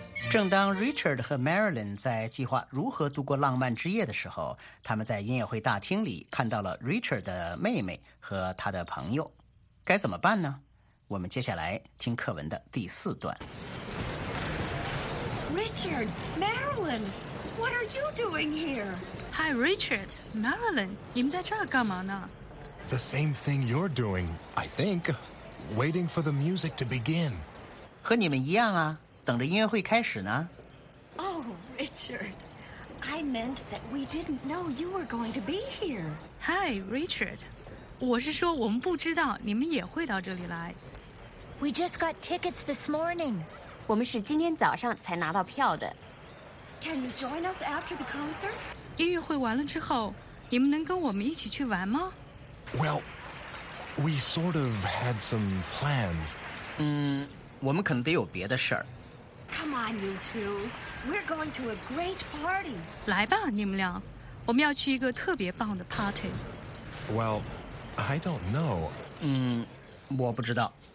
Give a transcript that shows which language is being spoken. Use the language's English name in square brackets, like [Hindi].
[Chinese] 正当 Richard 和 Marilyn 在计划如何度过浪漫之夜的时候，他们在音乐会大厅里看到了 Richard 的妹妹和他的朋友，该怎么办呢？我们接下来听课文的第四段。 [English] Richard, Marilyn, what are you doing here? [Chinese] Hi, Richard, Marilyn, 你们在这儿干嘛呢？ [English] The same thing you're doing, I think. Waiting for the music to begin. [Chinese] 和你们一样啊，等着音乐会开始呢。 [English] Oh, Richard, I meant that we didn't know you were going to be here. [Chinese] Hi, Richard, 我是说我们不知道你们也会到这里来。 [English] We just got tickets this morning. [Chinese] 我们是今天早上才拿到票的。 [English] Can you join us after the concert? [Chinese] 音乐会完了之后，你们能跟我们一起去玩吗？ [English] Well, we sort of had some plans. [Chinese] 我们可能得有别的事儿。 [English] Come on, you two. We're going to a great party. [Chinese] 来吧，你们俩，我们要去一个特别棒的 party. [English] Well, I don't know. [Chinese] 我不知道。